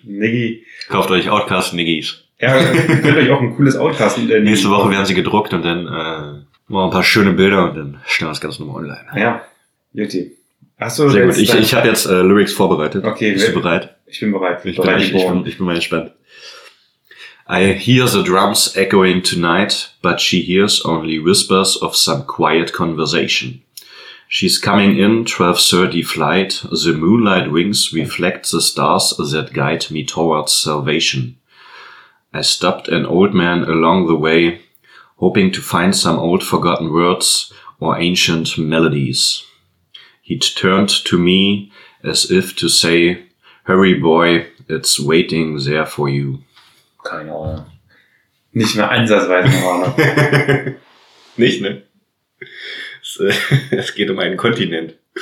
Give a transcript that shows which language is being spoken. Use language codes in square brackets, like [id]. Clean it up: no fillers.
[de] Niggi. Kauft euch Outcast-Niggis. Ja, könnt euch auch ein cooles Outcast nennen. Nächste Woche werden sie gedruckt und dann machen wir ein paar schöne Bilder und dann stellen wir das Ganze nochmal online. Ja, Juti. Achso, sehr gut. Ich habe jetzt Lyrics vorbereitet. Okay. Bist du bereit? Ich bin bereit. Ich bin mal gespannt. [en] I hear the drums echoing tonight, but she hears only whispers of some quiet conversation. She's coming in, 12:30 flight. The moonlight wings reflect the stars that guide me towards salvation. I stopped an old man along the way, hoping to find some old forgotten words or ancient melodies. He'd turned to me as if to say, hurry boy, it's waiting there for you. [de] Keine Ahnung. Nicht mehr ansatzweise normal. Nicht, ne? Es geht um einen Kontinent.